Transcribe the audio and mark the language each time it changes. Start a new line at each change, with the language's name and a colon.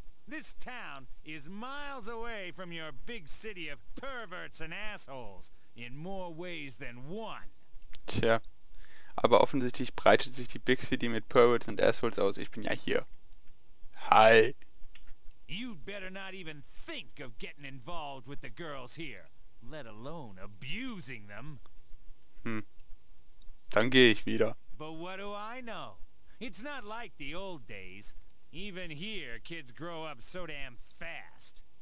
English: This town is miles away from your big city of perverts and assholes in more ways than one.
German: Tja, aber offensichtlich breitet sich die Big City mit Perverts und Assholes aus. Ich bin ja hier. Hi.
English: You'd better not even think of getting involved with the girls here. Let alone abusing them.
German: Dann gehe ich wieder.
English: But what do I know? It's not like the old days. Even here, kids grow up so damn fast.